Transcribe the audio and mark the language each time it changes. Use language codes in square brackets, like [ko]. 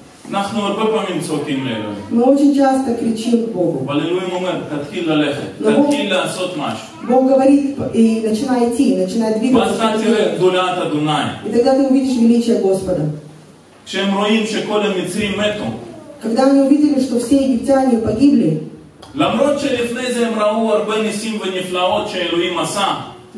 [he] אנחנו הרבה פעמים צועקים לאלוהים. מאוד שג'אסט קריצ'ים בוגו. אבל אלוהים אומר, תתחיל ללכת, תתחיל לעשות משהו. [ru] Бог говорит, и начинай идти, начинай двигаться. [he] ואתה תראה גדולת אדוני. [ru] И тогда ты увидишь величие Господа. [he] כשהם רואים שכל המצרים מתו. [ru] Когда они увидели, что все египтяне погибли. [he] למרות שלפני זה הם ראו הרבה ניסים ונפלאות שאלוהים עשה.